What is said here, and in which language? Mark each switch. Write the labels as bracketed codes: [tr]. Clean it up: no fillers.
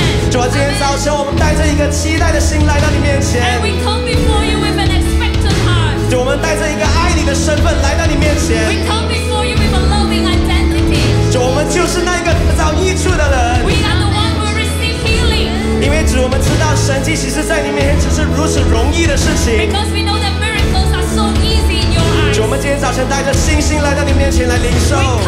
[zh] 主啊，今天早晨我们带着一个期待的心来到你面前。 [en] And we come before you with an expectant heart. [zh] 主，我们带着一个爱你的身份来到你面前。 [en] We come before you with a loving identity. [zh] 主，我们就是那个得着益处的人。 [en] We are the one who receive healing. [zh] 因为主，我们知道神迹奇事在你面前只是如此容易的事情。 [en] Because we know that miracles are so easy. [zh] 主，我们今天早晨带着信心来到你面前来领受。